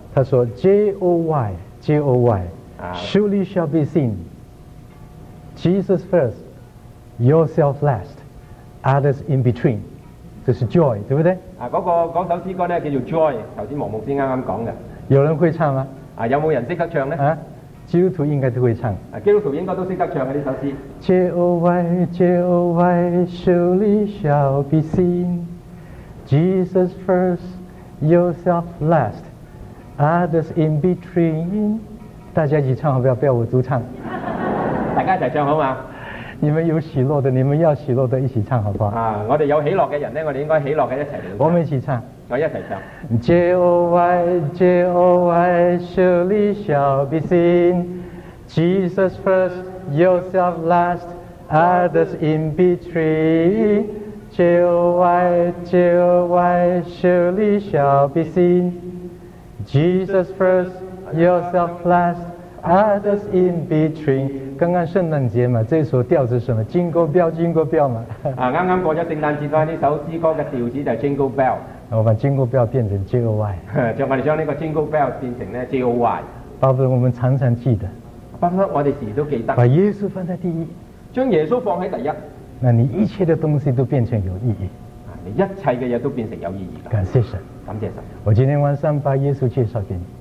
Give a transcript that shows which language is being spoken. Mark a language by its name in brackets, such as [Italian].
[Chinese] 他说 [English] JOY JOY surely shall be seen Jesus first yourself last others in between， [Chinese] 这是 joy 对不对？啊，那个那首诗歌呢叫做 joy， 刚才王牧师刚刚讲的，有人会唱吗？啊，有没有人懂得唱呢？啊，基督徒应该都会唱，啊，基督徒应该都懂得唱的这首诗。 [English] JOY JOY surely shall be seen Jesus first yourself last others in between， [Chinese] 大家一起唱好不好？不要我独唱，大家一起唱好吗？你们有喜乐的，你们要喜乐的一起唱好不好？啊，我们有喜乐的人呢，我们应该喜乐的一起唱，我们一起唱，我一起唱。 [English] JOY JOY surely shall be seen Jesus first yourself last others in between JOY JOY surely shall be seen Jesus first yourself last others in between。 [Chinese] 刚刚圣诞节嘛，这首调子是什么？ Jingle Bell Jingle Bell 嘛。啊，刚刚过了圣诞节，所以这首诗歌的调子就是 Jingle Bell。我把 Jingle Bell 变成 JOY。我们将这个 Jingle Bell 变成 JOY。巴不得我们常常记得。巴不得我们时都记得。把耶稣放在第一。将耶稣放在第一。那你一切的东西都变成有意义。你一切的东西都变成有意义的。感谢神。感谢神。我今天晚上把耶稣介绍给你。